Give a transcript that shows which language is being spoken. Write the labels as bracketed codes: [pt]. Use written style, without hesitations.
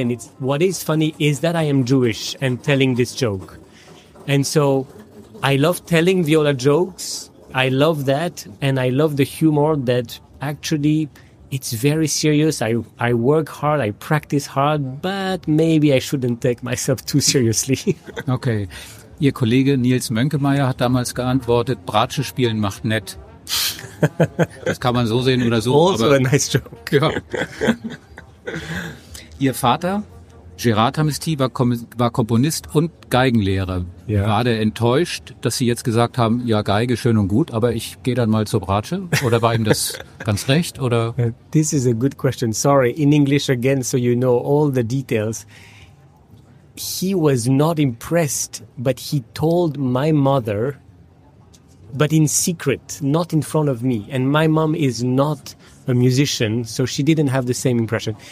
[en] And it's what is funny is that I am Jewish and telling this joke. And so I love telling viola jokes. I love that. And I love the humor that actually it's very serious. I work hard. I practice hard. But maybe I shouldn't take myself too seriously. Okay. [de] Ihr Kollege Nils Mönkemeyer hat damals geantwortet, Bratsche spielen macht nett. Das kann man so sehen oder so. Also aber, [en] a nice joke. [de] Ja. Ihr Vater, Gérard Tamesti, war Komponist und Geigenlehrer. Ja. War der enttäuscht, dass Sie jetzt gesagt haben, ja, Geige, schön und gut, aber ich gehe dann mal zur Bratsche? Oder war ihm das ganz recht? Oder? [en] This is a good question. Sorry, in English again, so you know all the details. He was not impressed, but he told my mother, but in secret, not in front of me. And my mom is not a musician, so she didn't have the same impression.